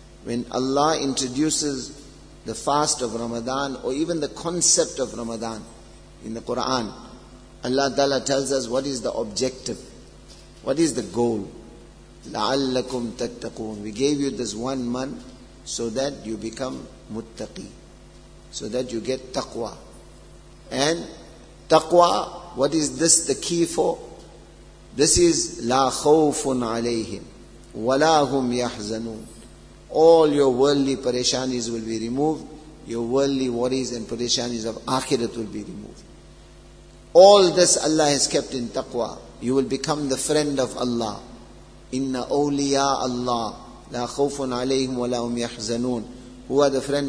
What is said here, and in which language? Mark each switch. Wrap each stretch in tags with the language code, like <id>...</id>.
<en>When Allah introduces the fast of Ramadan or even the concept of Ramadan in the Quran, Allah Ta'ala tells us what is the objective, what is the goal.</en> <ar>لَعَلَّكُمْ تَتَّقُونَ.</ar> <en>We gave you this one month so that you become muttaqi, so that you get taqwa. And taqwa, what is this the key for? This is</en> <ar>لَا خَوْفٌ عَلَيْهِمْ وَلَا هُمْ يَحْزَنُونَ.</ar> <en>All your worldly parishanis will be removed, your worldly worries and parishanis of akhirat will be removed. All this Allah has kept in taqwa. You will become the friend of Allah.</en> <ar>Inna awliya Allah la khawfun alayhim wa lahum yahzanun.</ar> <en>Who are the friend?</en>